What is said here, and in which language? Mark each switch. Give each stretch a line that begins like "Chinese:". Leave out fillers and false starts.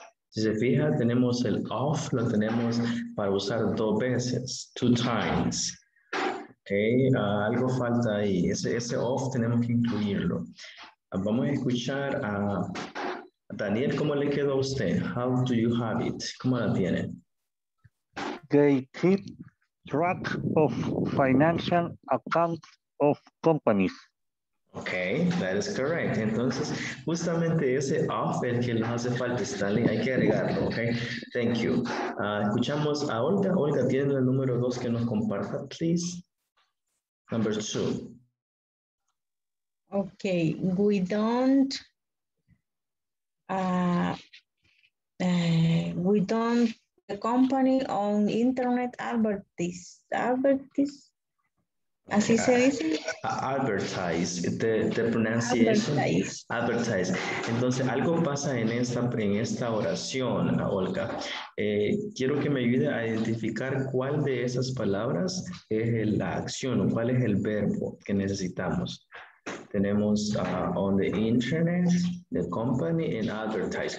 Spanish: Si se fija, tenemos el off, lo tenemos para usar dos veces,
English: two times.
Spanish: Ok, algo falta ahí. Ese off tenemos que incluirlo. Vamos a escuchar a Daniel, ¿cómo le quedó a usted?
English: How do you have it?
Spanish: ¿Cómo la tiene?
English: They keep track of financial accounts of companies. Ok, that is correct.
Spanish: Entonces, justamente ese off es el que nos hace falta, Stanley. Hay que agregarlo, ok?
English: Thank you.
Spanish: Escuchamos a Olga. Olga, ¿tiene el número dos que nos comparta,
English: please? Number two. Ok, we don't. We don't. The company on internet advertise.
Spanish: Así se dice.
English: Advertise. The pronunciation. Advertise.
Spanish: Entonces, algo pasa en esta oración, Olga. Quiero que me ayude a identificar cuál de esas palabras es la acción o cuál es el verbo que necesitamos. Tenemos
English: on the internet, the company, and advertise.